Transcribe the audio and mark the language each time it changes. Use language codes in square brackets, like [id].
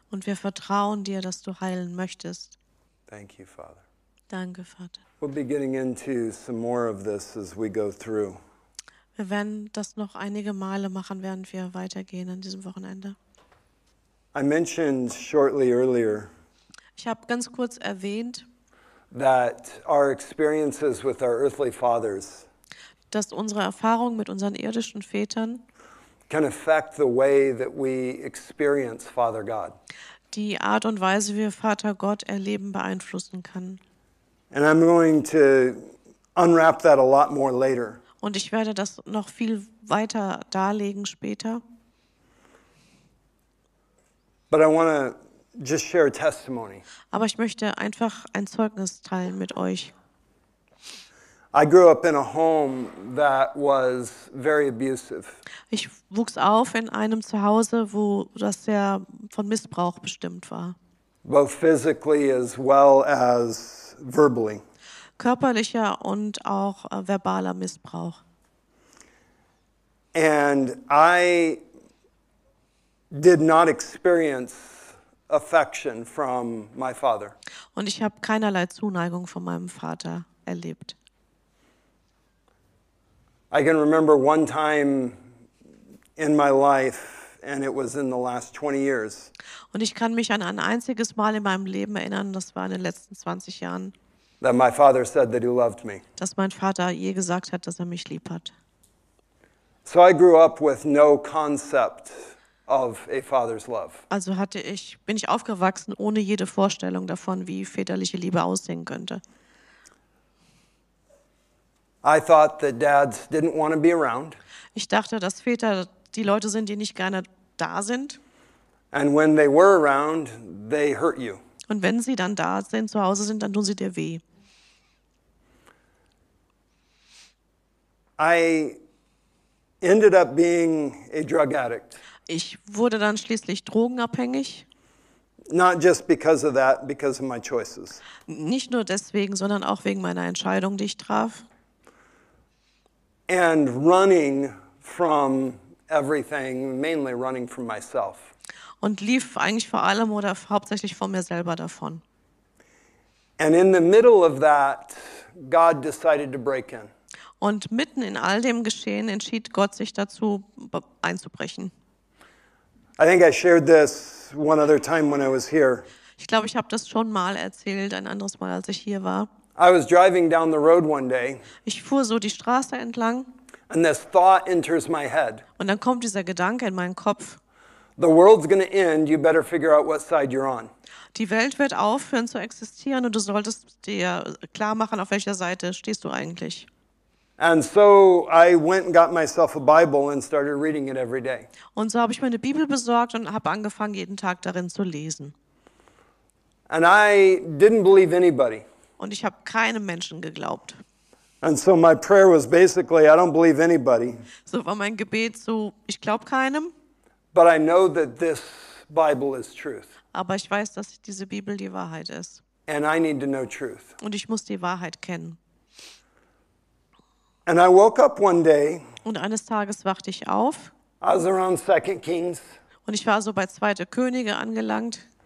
[de] Und wir vertrauen dir, dass du heilen möchtest. [en] Thank you, Father. [de] Danke, Vater. [en] We'll be getting into some more of this as we go through. [de] Wir werden das noch einige Male machen, während wir weitergehen an diesem Wochenende. [en] I mentioned shortly earlier. [de] Ich habe ganz kurz erwähnt, [en] that our experiences with our earthly fathers, [de] dass unsere Erfahrung mit unseren irdischen Vätern, [en] can affect the way that we experience Father God. [de] Die Art und Weise, wie wir Vater Gott erleben, beeinflussen kann. [en] And I'm going to unwrap that a lot more later. [de] Und ich werde das noch viel weiter darlegen später. [en] But I want to just share a testimony. [de] Aber ich möchte einfach ein Zeugnis teilen mit euch. [en] I grew up in a home that was very abusive. [de] Ich wuchs auf in einem Zuhause, wo das sehr von Missbrauch bestimmt war. [en] Both physically as well as verbally. [de] Körperlicher und auch verbaler Missbrauch. [en] And I did not experience affection from my father. [de] Und ich habe keinerlei Zuneigung von meinem Vater erlebt. [en] I can remember one time in my life, and it was in the last 20 years. [de] Und ich kann mich an ein einziges Mal in meinem Leben erinnern, das war in den letzten 20 Jahren. [en] That my father said that he loved me. [de] Dass mein Vater je gesagt hat, dass mich lieb hat. [en] So I grew up with no concept of a father's love. [de] Also bin ich aufgewachsen ohne jede Vorstellung davon, wie väterliche Liebe aussehen könnte. [en] I thought that dads didn't want to be around. [de] Ich dachte, dass Väter die Leute sind, die nicht gerne da sind. [en] And when they were around, they hurt you. [de] Und wenn sie dann da sind, zu Hause sind, dann tun sie dir weh. [en] I ended up being a drug addict. [de] Ich wurde dann schließlich drogenabhängig. [en] Not just because of that, because of my choices. [de] Nicht nur deswegen, sondern auch wegen meiner Entscheidung, die ich traf. [en] And running from everything, mainly running from myself. [de] Und lief eigentlich vor allem oder hauptsächlich vor mir selber davon. [en] And in the middle of that, God decided to break in. [de] Und mitten in all dem Geschehen entschied Gott sich dazu, einzubrechen. [en] I think I shared this one other time when I was here. [de] Ich glaube, ich habe das schon mal erzählt, ein anderes Mal, als ich hier war. [en] I was driving down the road one day. [de] Ich fuhr so die Straße entlang. [en] And this thought enters my head. [de] Und dann kommt dieser Gedanke in meinen Kopf. [en] The world's going to end, you better figure out what side you're on. [de] Die Welt wird aufhören zu existieren und du solltest dir klar machen, auf welcher Seite stehst du eigentlich. [en] And so I went and got myself a Bible and started reading it every day. [de] Und so habe ich mir eine Bibel besorgt und habe angefangen jeden Tag darin zu lesen. [en] And I didn't believe anybody. [de] Und ich habe keinem Menschen geglaubt. [en] And so my prayer was basically, I don't believe anybody. [de] So war mein Gebet so, ich glaube keinem. [en] But I know that this Bible is truth. [de] Aber ich weiß, dass diese Bibel die Wahrheit ist. [en] And I need to know truth. [de] Und ich muss die Wahrheit kennen. [en] And I woke up one day. [de] Und eines Tages wachte ich auf. [en] I was around 2 Kings. [de] Und ich war so bei 2. Könige angelangt.